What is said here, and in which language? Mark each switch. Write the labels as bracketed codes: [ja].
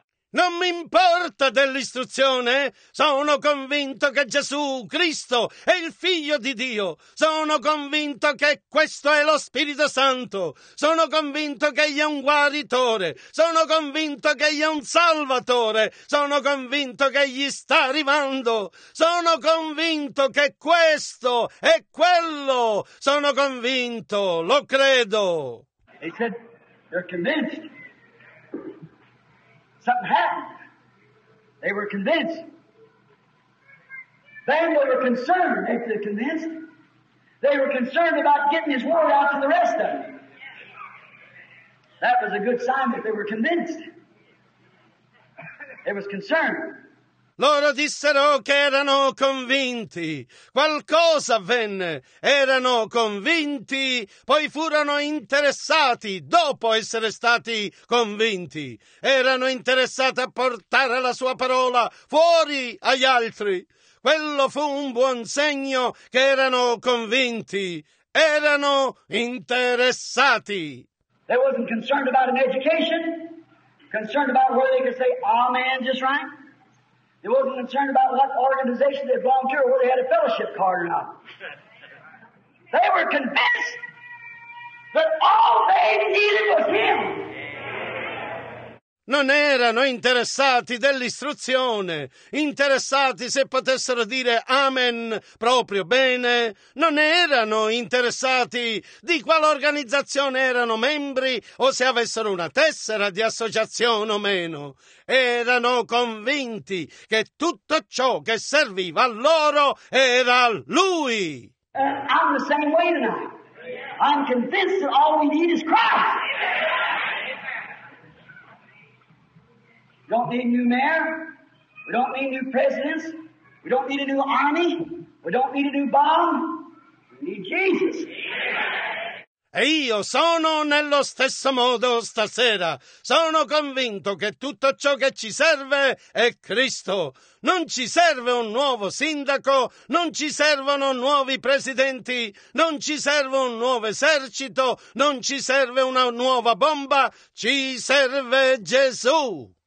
[it] Non mi importa dell'istruzione, sono convinto che Gesù Cristo è il Figlio di Dio, sono convinto che questo è lo Spirito Santo, sono convinto che egli è un guaritore, sono convinto che egli è un salvatore, sono convinto che egli sta arrivando, sono convinto che questo è quello, sono convinto, lo credo. [en] He said, they're convinced. Something happened. They were convinced. Then they were concerned. If they're convinced, They were concerned about getting his word out to the rest of them. That was a good sign that they were convinced. It was concerned. [it] Loro dissero che erano convinti. Qualcosa avvenne. Erano convinti, poi furono interessati dopo essere stati convinti. Erano interessati a portare la sua parola fuori agli altri. Quello fu un buon segno che erano convinti. Erano interessati. [en] They wasn't concerned about an education. Concerned about where they could say amen just right. They wasn't concerned about what organization they belonged to or whether they had a fellowship card or not. They were convinced that all they needed was him. [it] Non erano interessati dell'istruzione, interessati se potessero dire amen proprio bene. Non erano interessati di quale organizzazione erano membri o se avessero una tessera di associazione o meno. Erano convinti che tutto ciò che serviva a loro era lui. [en] I'm the same way tonight. I'm convinced that all we need is Christ. We don't need a new mayor, we don't need new presidents, we don't need a new army, we don't need a new bomb, we need Jesus. [it] E io sono nello stesso modo stasera. Sono convinto che tutto ciò che ci serve è Cristo. Non ci serve un nuovo sindaco, non ci servono nuovi presidenti, non ci serve un nuovo esercito, non ci serve una nuova bomba, ci serve Gesù.